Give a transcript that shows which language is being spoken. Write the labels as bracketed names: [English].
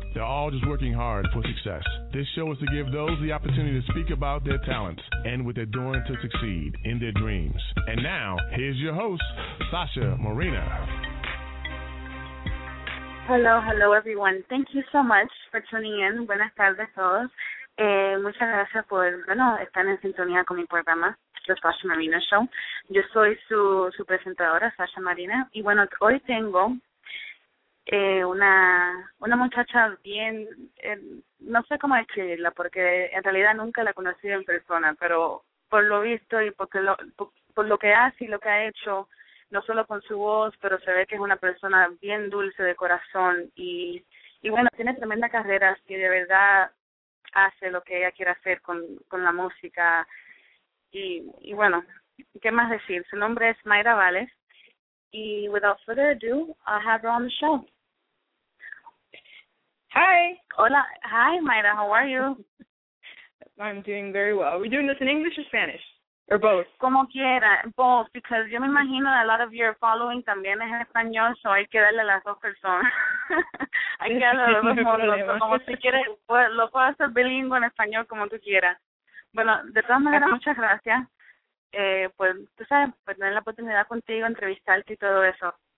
[English] They're all just working hard for success. This show is to give those the opportunity to speak about their talents and what they're doing to succeed in their dreams. And now, here's your host, Sasha Marina. Hello, hello, everyone. Thank you so much for tuning in. [Spanish] Buenas tardes a todos. Muchas gracias por, bueno, estar en sintonía con mi programa, The Sasha Marina Show. Yo soy su presentadora, Sasha Marina. Y bueno, hoy tengo una muchacha bien, no sé cómo describirla, porque en realidad nunca la he conocido en persona, pero por lo visto y por lo que hace y lo que ha hecho, no solo con su voz, pero se ve que es una persona bien dulce de corazón. Y bueno, tiene tremenda carrera, así de verdad. hace lo que ella quiere hacer con la música. Y bueno, ¿qué más decir? Su nombre es Mayra Vales. [English] Y without further ado, I'll have her on the show. Hi. [Spanish] Hola. [English] Hi, Mayra. How are you? I'm doing very well. Are we doing this in English or Spanish? Or both? [Spanish] Como quiera. [English] Both. Because [Spanish] yo me imagino [English] that a lot of your following [Spanish] también es español, [English] so [Spanish] hay que darle a las dos personas. Hay que darle a los dos modos. Como si quieres, lo puedo hacer bilingüe en español como tú quieras. Bueno, de todas maneras, muchas gracias. Pues, tú sabes, pues tener la oportunidad contigo, entrevistarte y todo eso.